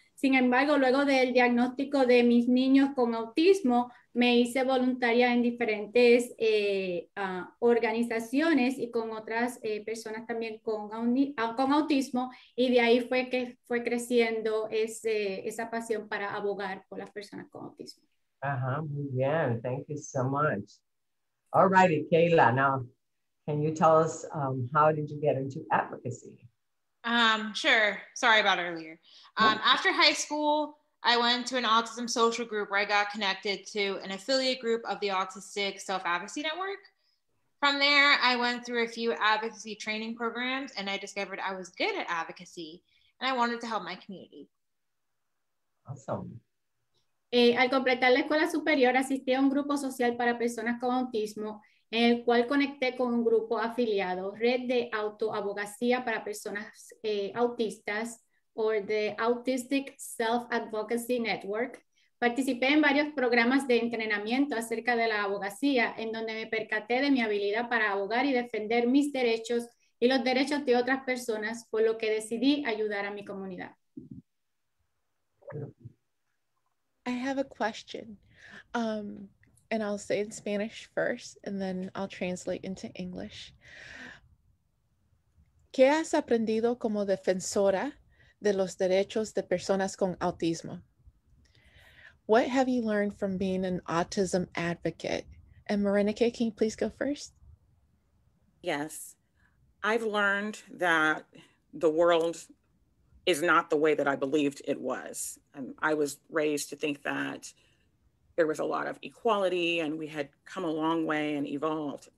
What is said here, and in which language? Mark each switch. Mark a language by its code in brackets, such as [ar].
[es] Sin embargo, luego del diagnóstico de mis niños con autismo, me hice voluntaria en diferentes organizaciones y con otras personas también con autismo, y de ahí fue que fue creciendo esa pasión para abogar por las personas con autismo. Ajá, muy bien. [en] Thank you so much. All righty, Kayla, now, can you tell us how did you get into advocacy? Sure. Sorry about earlier. After high school, I went to an autism social group where I got connected to an affiliate group of the Autistic Self-Advocacy Network. From there, I went through a few advocacy training programs and I discovered I was good at advocacy and I wanted to help my community. Awesome. [es] Al completar la escuela superior, asistí a un grupo social para personas con autismo, en el cual conecté con un grupo afiliado, Red de Autoabogacía para Personas Autistas, o [en] the Autistic Self-Advocacy Network. [es] Participé en varios programas de entrenamiento acerca de la abogacía, en donde me percaté de mi habilidad para abogar y defender mis derechos y los derechos de otras personas, por lo que decidí ayudar a mi comunidad. [en] I have a question, and I'll say in Spanish first, and then I'll translate into English. [es] ¿Qué has aprendido como defensora de los derechos de personas con autismo? [en] What have you learned from being an autism advocate? And Marinike, can you please go first? Yes, I've learned that the world is not the way that I believed it was. And I was raised to think that there was a lot of equality and we had come a long way and evolved.